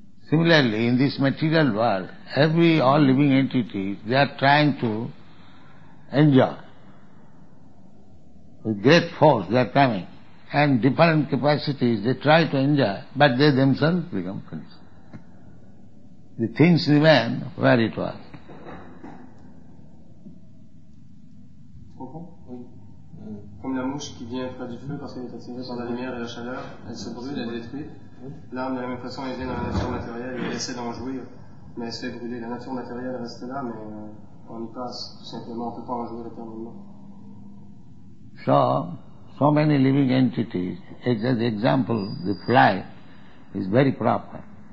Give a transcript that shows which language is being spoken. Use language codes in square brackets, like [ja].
[en] Similarly, in this material world, all living entities, they are trying to enjoy. With great force they are coming, and different capacities they try to enjoy, but they themselves become finished. The things remain where it was. [fr] Comme la mouche qui vient près du feu parce qu'elle est attirée par la lumière et la chaleur, elle se brûle, elle détruit. L'âme, de la même façon, elle vient dans la nature matérielle, elle essaie d'en jouir, mais elle se fait brûler. La nature matérielle reste là, mais on y passe, tout simplement, on ne peut pas en jouir éternellement. [en] So many living entities, as the example, the fly is very proper.